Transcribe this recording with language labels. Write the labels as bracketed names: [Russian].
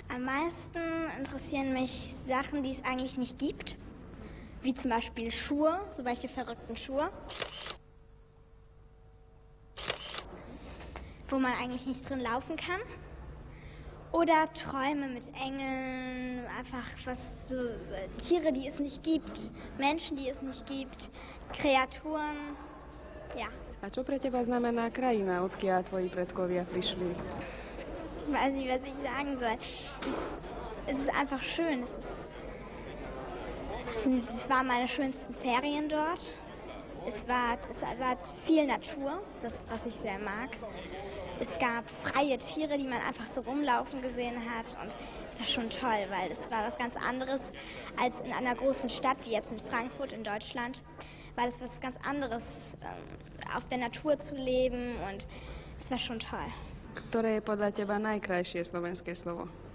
[German] Am meisten interessieren mich Sachen, die es eigentlich nicht gibt, wie zum Beispiel Schuhe, so welche verrückten Schuhe, wo man eigentlich nicht drin laufen kann. Oder Träume mit Engeln, einfach was so, Tiere, die es nicht gibt, Menschen, die es nicht gibt, Kreaturen, ja. [Slovak] A čo pre teba znamená krajina, odkiaľ tvoji predkovia prišli? [German] Weiß nicht, was ich sagen soll. Es ist einfach schön. Es waren meine schönsten Ferien dort. Es war viel Natur, das, was ich sehr mag. Es gab freie Tiere, die man einfach so rumlaufen gesehen hat. Und es war schon toll, weil es war was ganz anderes als in einer großen Stadt, wie jetzt in Frankfurt in Deutschland. War das was ganz anderes, auf der Natur zu leben. Und es war schon toll. [Slovak] Ktoré je podľa teba najkrajšie slovenské slovo?